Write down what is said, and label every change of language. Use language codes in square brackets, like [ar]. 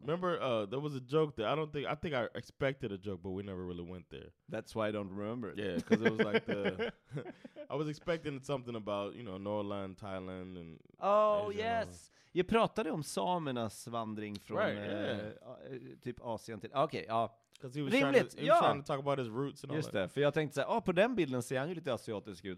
[en] Remember, there was a joke there. I think I expected a joke, but we never really went there. That's why I don't remember it. Yeah, because it was like the... I was expecting something about, you know, Norrland, Thailand, and... Oh, Asia, yes! [sv] You pratade om samernas vandring från... [en] Right, yeah. [sv] Typ Asien till... Okay, ja. [en] Because he was trying to talk about his roots and just all that. [sv] Just det, för jag tänkte såhär, på den bilden ser han ju lite asiatisk ut.